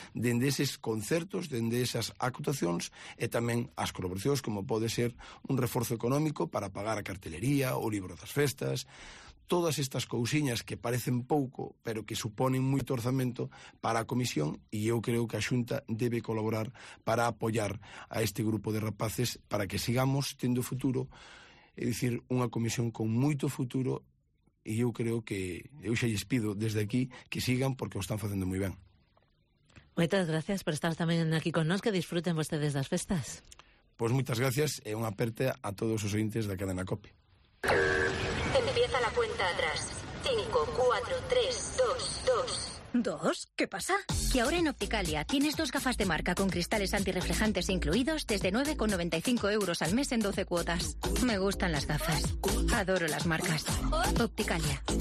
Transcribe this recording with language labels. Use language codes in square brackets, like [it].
[gl] Dende eses concertos, dende esas actuacións, e tamén as colaboracións, como pode ser un reforzo económico para pagar a cartelería, o libro das festas, todas estas cousiñas que parecen pouco, pero que suponen moito orzamento para a comisión, e eu creo que a Xunta debe colaborar para apoiar a este grupo de rapaces para que sigamos tendo futuro, é dicir, unha comisión con moito futuro. E eu creo que, eu xa lles pido desde aquí que sigan, porque o están facendo moi ben. Moitas gracias por estar tamén aquí con nós, que disfruten vostedes das festas. Pois moitas gracias e unha aperta a todos os ointes da cadena COPE. [es] Empieza la cuenta atrás. 5, 4, 3, 2, 2. ¿Dos? ¿Qué pasa? Que ahora en Opticalia tienes dos gafas de marca con cristales antirreflejantes incluidos desde 9,95 euros al mes en 12 cuotas. Me gustan las gafas. Adoro las marcas. Opticalia.